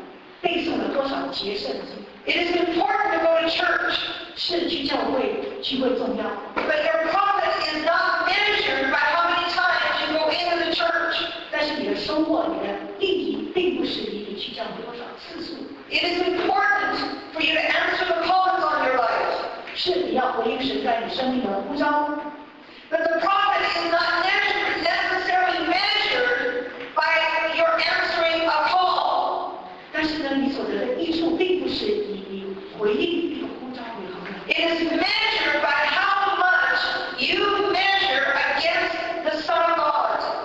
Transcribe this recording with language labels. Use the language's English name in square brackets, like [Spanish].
[Chinese] 但真正的益处不是计算你背诵了多少节圣经。 [English] It is important to go to church. [Chinese] 是，去教会，聚会重要。 [English] But your profit is not measured by how many times you go into the church. [Chinese] 但是你的收获，你的利益，并不是你去教会多少次数。 [English] It is important for you to answer the calls on your life. [Chinese] 是，你要回应神在你生命的呼召。 [English] But the profit is not necessarily measured by your answering a call. [Chinese] 但是呢，你所得的益处并不是你回应你的呼召与衡量。 [English] It is measured by how much you measure against the Son of God.